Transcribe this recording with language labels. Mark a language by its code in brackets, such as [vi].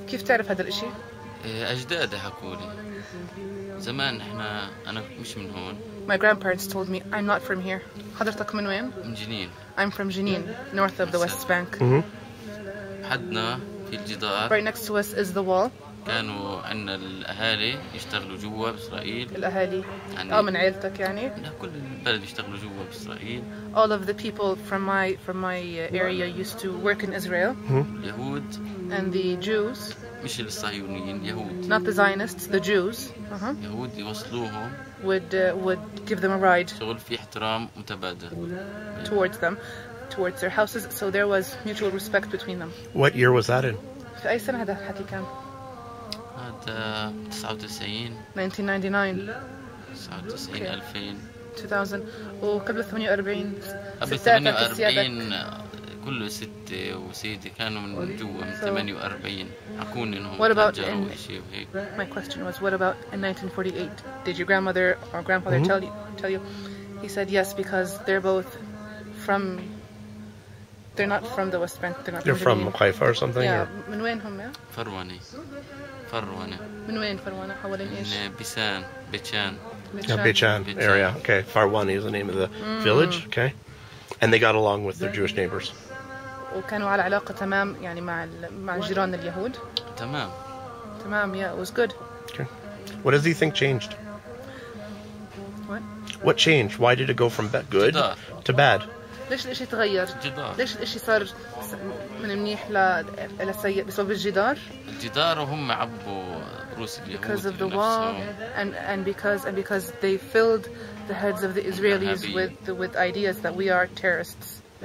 [ar] كيف تعرف هذا الشيء؟ أجداده حكوا لي. زمان إحنا أنا مش من هون. [en] My grandparents told me I'm not from here. [ar] حضرتك من وين؟ من جنين. [en] I'm from Jenin, north of the West Bank. [ar] حدنا في الجدار. [en] Right next to us is the wall. [ar] كانوا عندنا الأهالي يشتغلوا جوا بإسرائيل. الأهالي. من عيلتك يعني؟ لا كل البلد يشتغلوا جوا بإسرائيل. [en] All of the people from my area used to work in Israel. [ar] يهود. [en] And the Jews. [ar] مش الصهيونيين يهود. [en] Not the Zionists, the Jews. [ar] يهود يوصلوهم. [en] Would give them a ride. [ar] شغل في احترام متبادل. [en] Towards them, towards their houses, so there was mutual respect between them. What year was that in? [ar] في أي سنة هذا الحكي كان؟ هذا 99 99 2000 2000 وقبل 48 قبل 48 كل ستة وسيدي كانوا من جوا من 48 حكون انهم تهجروا وشي وهيك. [en] My question was, what about in 1948? Did your grandmother or grandfather tell you? He said yes, because they're both from, they're not from the West Bank. They're from Haifa or something? Yeah. Or? [ar] من وين هم؟ فرواني. فرواني. من وين فرواني؟ حوالين ايش؟ من بيشان. بيشان. [en] بيشان area. Okay. فرواني is the name of the village. Okay. And they got along with their Jewish neighbors. [ar] وكانوا على علاقة تمام يعني مع جيران اليهود. تمام. تمام. [en] Yeah. It was good. Okay. What does he think changed? What changed? Why did it go from good to bad? [ar] ليش الاشي تغير؟ الجدار. ليش الاشي صار من منيح إلى سيء بسبب الجدار؟ الجدار وهم عبوا روس اليهود. [en] Because of the wall and because they filled the heads of the Israelis with ideas that we are terrorists.